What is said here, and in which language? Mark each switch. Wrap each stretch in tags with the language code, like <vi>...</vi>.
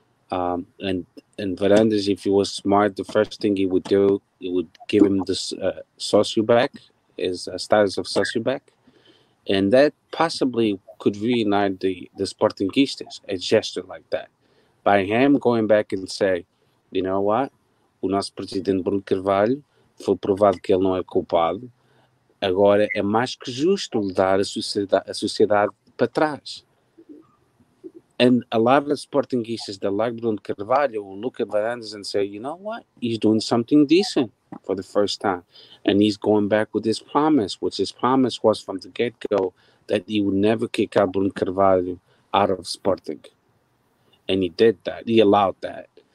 <en>And Verandas, if he was smart, the first thing he would do, he would give him this socio back, his status of socio back. And that possibly could reunite the Sportingistas, a gesture like that. By him going back and say, you know what?</en> <pt>O nosso presidente Bruno Carvalho foi provado que ele não é culpado. Agora é mais que justo dar a sociedade para trás.</pt> <en>And a lot of the Sportingistas that like Bruno Carvalho will look at Verandas and say, you know what? He's doing something decent for the first time. And he's going back with his promise, which his promise was from the get-go that he would never kick out Bruno Carvalho out of Sporting. And he did that. He allowed that.</en>